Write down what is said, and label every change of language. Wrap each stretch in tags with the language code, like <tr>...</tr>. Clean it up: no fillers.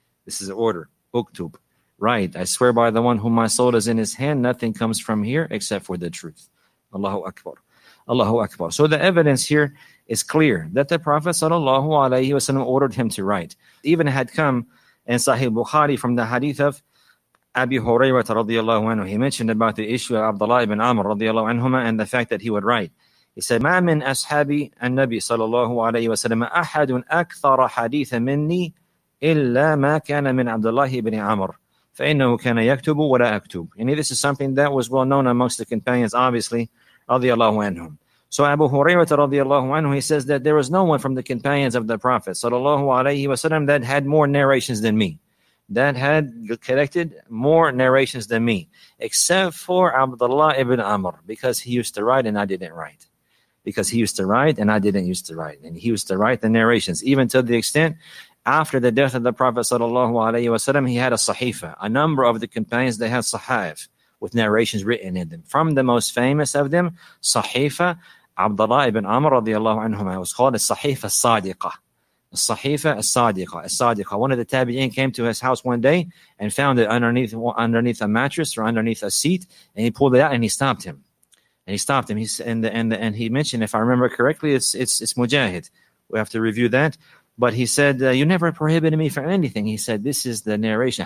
<en>This is order,</en> <ar>أُكْتُب.</ar> <en>Right, I swear by the one whom my soul is in his hand, nothing comes from here except for the truth. Allahu Akbar. Allahu Akbar. So the evidence here is clear that the Prophet sallallahu alayhi wa sallam ordered him to write. Even had come in Sahih Bukhari from the hadith of Abi Hurairah radiallahu anhu. He mentioned about the issue of Abdullah ibn Amr radiallahu anhuma and the fact that he would write. He said,</en> <ar>ما من أصحابي النبي صلى الله عليه وسلم أحد أكثر حديثا مني إلا ما كان من Abdullah ibn Amr. فَإِنَّهُ كَانَ يَكْتُبُ وَلَا أَكْتُبُ.</ar> <en>And this is something that was well known amongst the companions, obviously, radiallahu anhum. So Abu Hurairah radiallahu anhu, he says that there was no one from the companions of the Prophet sallallahu alayhi wa sallam that had more narrations than me, that had collected more narrations than me, except for Abdullah ibn Amr, because he used to write and I didn't write. Because he used to write and I didn't used to write. And he used to write the narrations, even to the extent, after the death of the Prophet sallallahu alayhi wa sallam, he had a sahifa. A number of the companions, they had sahif with narrations written in them. From the most famous of them, sahifa,</en> <ar>عبد الله بن عمر رضي الله عنهما</ar> <en>was called</en> <ar>الصحيفة الصادقة. الصحيفة الصادقة الصادقة.</ar> <en>One of the Tabi'in came to his house one day and found it underneath a mattress or underneath a seat, and he pulled it out and he stopped him. And he stopped him. And he mentioned, if I remember correctly, it's Mujahid. We have to review that. But he said, you never prohibited me from anything. He said, this is the narration.</en>